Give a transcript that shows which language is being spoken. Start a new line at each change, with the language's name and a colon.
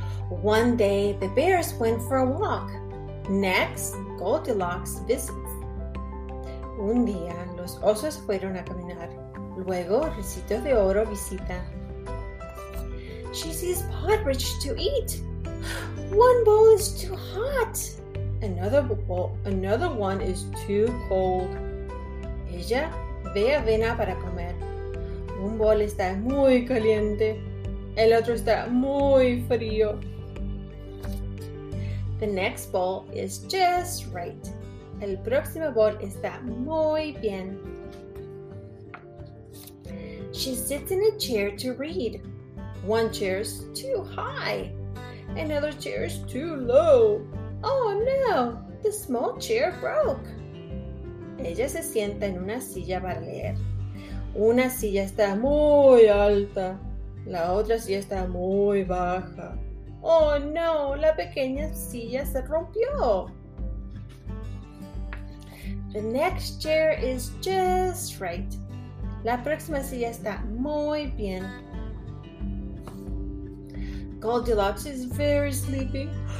English: One day, the bears went for a walk. Next, Goldilocks visits.
Spanish: Un día, los osos fueron a caminar. Luego, Ricito de Oro visita.
English: She sees porridge to eat. One bowl is too hot. Another one is too cold.
Spanish: Ella ve avena para comer. Un bol está muy caliente. El otro está muy frío.
English: The next bowl is just right.
Spanish: El próximo bol está muy bien.
English: She sits in a chair to read. One chair is too high. Another chair is too low. Oh no, the small chair broke.
Spanish: Ella se sienta en una silla para leer. Una silla está muy alta. La otra silla está muy baja. Oh no, la pequeña silla se rompió.
English: The next chair is just right.
Spanish: La próxima silla está muy bien.
English: Goldilocks is very sleepy.